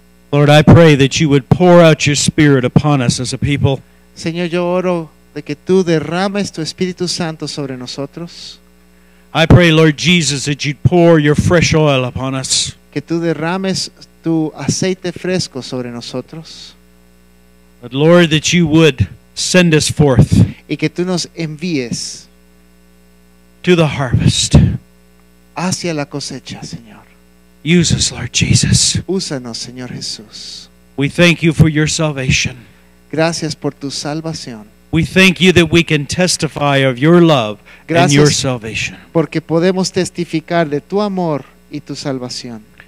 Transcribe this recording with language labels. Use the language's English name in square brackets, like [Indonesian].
[English] Lord, I pray that you would pour out your Spirit upon us as a people. [Spanish] Señor, yo oro de que tú derrames tu Espíritu Santo sobre nosotros. [English] I pray, Lord Jesus, that you'd pour your fresh oil upon us. [Spanish] Que tú derrames tu aceite fresco sobre nosotros. [English] But Lord, that you would send us forth. [Spanish] Y que tú nos envíes. [English] To the harvest. [Spanish] Hacia la cosecha, Señor. [English] Use us, Lord Jesus. [Spanish] Úsanos, Señor Jesús. [English] We thank you for your salvation. [Spanish] Gracias por tu salvación. [English] We thank you that we can testify of your love. [Spanish] Gracias [English] and your salvation. [Spanish] Porque podemos testificar de tu amor y tu salvación.